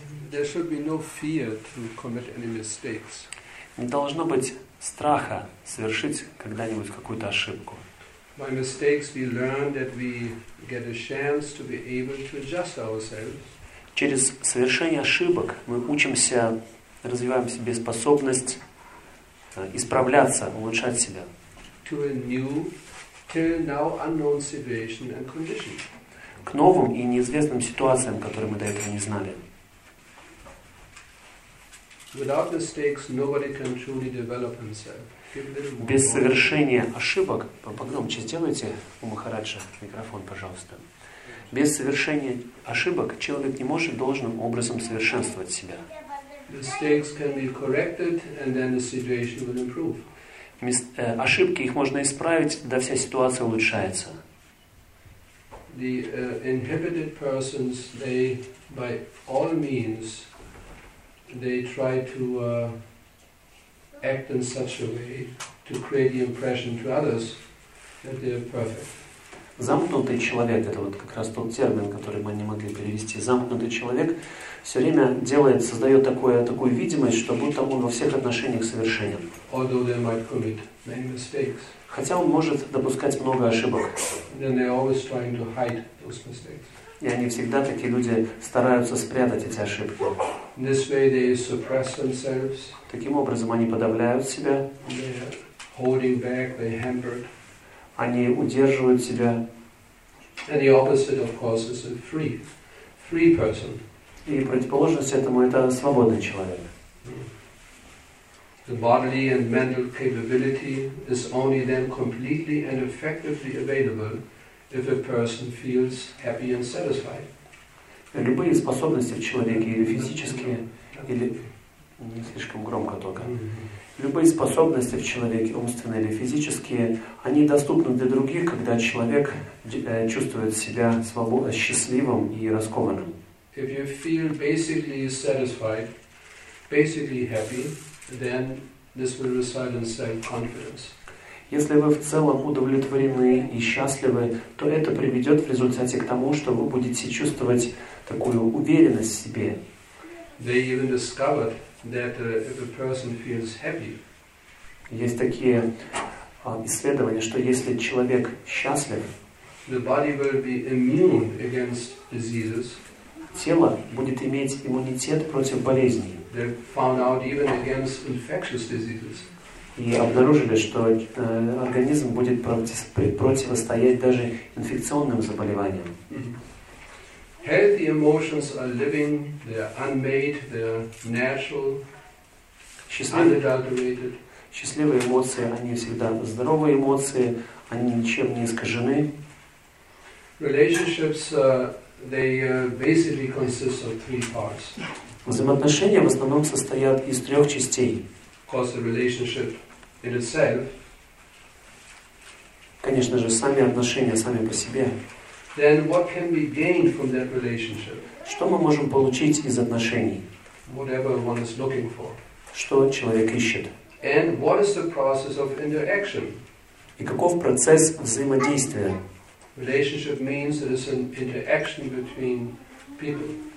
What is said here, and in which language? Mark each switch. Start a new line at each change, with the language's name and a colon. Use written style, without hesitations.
English: There should be no fear to commit any mistakes.
Russian: Не должно быть страха совершить когда-нибудь какую-то ошибку.
English: By mistakes we learn that we get a chance to be able to adjust ourselves.
Russian: Через совершение ошибок мы учимся, развиваем в себе способность исправляться, улучшать себя.
English: To a new, till now unknown situation and condition.
Russian: К новым и неизвестным ситуациям, которые мы до этого не знали.
English: Without mistakes, nobody can truly develop himself.
Russian: Без совершения ошибок, погромче сделайте у Махараджа микрофон, пожалуйста. Без совершения ошибок человек не может должным образом совершенствовать себя.
English: Mistakes can be corrected, and then the situation will improve.
Russian: Ошибки, их можно исправить, да вся ситуация улучшается.
English: The inhibited persons, they, by all means, they try to act in such a way to create the impression to others that they are perfect.
Russian: Замкнутый человек, это вот как раз тот термин, который мы не могли перевести. Замкнутый человек все время делает, создает такую видимость, что будто он во всех отношениях совершенен.
English: Although they might commit many mistakes.
Russian: Хотя он может допускать много ошибок.
English: Then they're always trying to hide those mistakes.
Russian: И они всегда, такие люди, стараются спрятать эти ошибки.
English: This way they suppress themselves.
Russian: Таким образом они подавляют себя.
English: They're holding back, they're hampered.
Russian: Они удерживают себя.
English: And the opposite, of course, is a free person.
Russian: И противоположность этому – это свободный человек.
English: The bodily and mental capability is only then completely and effectively available if a person feels happy and satisfied.
Russian: Любые способности в человеке, или физические, или... Не слишком громко только. Любые способности в человеке, умственные или физические, они доступны для других, когда человек чувствует себя счастливым и раскованным.
English: If you feel basically satisfied, basically happy, then this will result in self-confidence.
Russian: Если вы в целом удовлетворены и счастливы, то это приведет в результате к тому, что вы будете чувствовать такую уверенность в себе.
English: They even discovered that if a person feels happy,
Russian: есть такие исследования, что если человек счастлив,
English: the body will be immune against diseases.
Russian: Тело будет иметь иммунитет против болезней.
English: They found out even against infectious diseases.
Russian: И обнаружили, что организм будет противостоять даже инфекционным заболеваниям.
English: Healthy emotions are living, they are unmade, they are natural, unadulterated.
Russian: Счастливые эмоции, они всегда здоровые эмоции, они ничем не искажены.
English: Relationships, they basically consist of three parts.
Russian: Взаимоотношения в основном состоят из трех частей.
English: Of course, the relationship in itself.
Russian: Конечно же, сами отношения, сами по себе.
English: Then what can be gained from that relationship?
Russian: Что мы можем получить из отношений?
English: Whatever one is looking for.
Russian: Что человек ищет?
English: And what is the process of interaction?
Russian: И каков процесс взаимодействия?
English: Relationship means that it's an interaction between people.